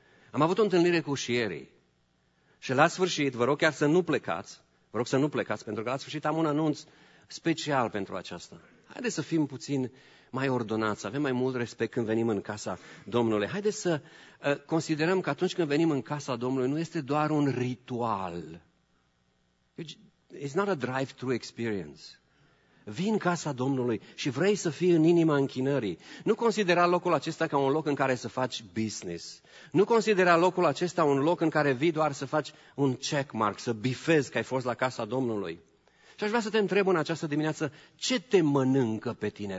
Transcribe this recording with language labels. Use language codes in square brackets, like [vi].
[ro] Am avut o întâlnire cu ușierii. Și la sfârșit, vă rog chiar să nu plecați, vă rog să nu plecați, pentru că la sfârșit am un anunț special pentru aceasta. Haideți să fim puțin mai ordonați, să avem mai mult respect când venim în casa Domnului. Haideți să considerăm că atunci când venim în casa Domnului, nu este doar un ritual. [en] It's not a drive-thru experience. [ro] Vii în casa Domnului și vrei să fii în inima închinării. Nu considera locul acesta ca un loc în care să faci business. Nu considera locul acesta un loc în care vii doar să faci un checkmark, să bifezi că ai fost la casa Domnului. Și aș vrea să te întreb în această dimineață, ce te mănâncă pe tine?